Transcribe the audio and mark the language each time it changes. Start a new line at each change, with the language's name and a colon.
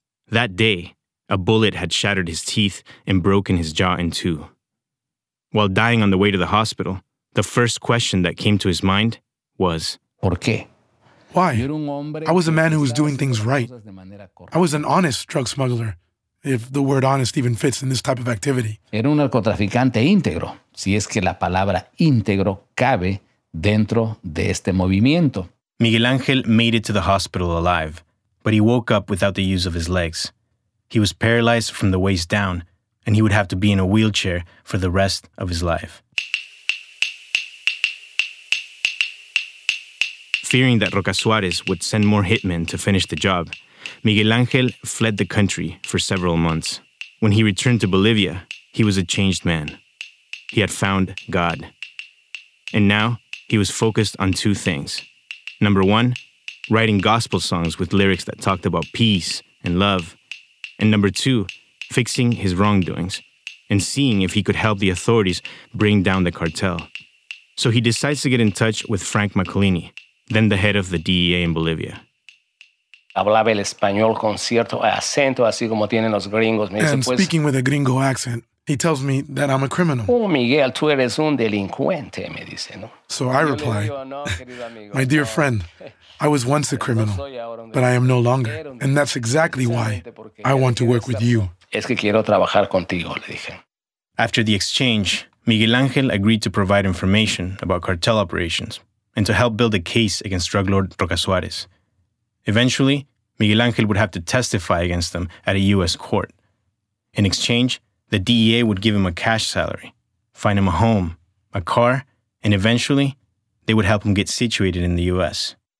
English: That day, a bullet had shattered his teeth and broken his jaw in two. While dying on the way to the hospital, the first question that came to his mind was,
Spanish: ¿por qué?
English: Why? I was a man who was doing things right. I was an honest drug smuggler, if the word honest even fits in this type of activity.
Spanish: Era un narcotraficante íntegro, si es que la palabra íntegro cabe dentro de este movimiento.
English: Miguel Ángel made it to the hospital alive, but he woke up without the use of his legs. He was paralyzed from the waist down, and he would have to be in a wheelchair for the rest of his life. Fearing that Roca Suarez would send more hitmen to finish the job, Miguel Ángel fled the country for several months. When he returned to Bolivia, he was a changed man. He had found God. And now, he was focused on two things. Number one, writing gospel songs with lyrics that talked about peace and love. And number two, fixing his wrongdoings, and seeing if he could help the authorities bring down the cartel. So he decides to get in touch with Frank Macalini, then the head of the DEA in Bolivia.
Spanish: Hablaba el español con cierto acento, así como tienen los gringos.
English: And speaking with a gringo accent, he tells me that I'm a criminal.
Spanish: Oh, Miguel, tú eres un delincuente, me dice, ¿no?
English: So I reply, my dear friend, I was once a criminal, but I am no longer. And that's exactly why I want to work with you.
Spanish: Es que quiero trabajar contigo, le dije.
English: After the exchange, Miguel Ángel agreed to provide information about cartel operations and to help build a case against drug lord Roca Suarez. Eventually, Miguel Ángel would have to testify against them at a U.S. court. In exchange, the DEA would give him a cash salary, find him a home, a car, and eventually, they would help him get situated in the U.S.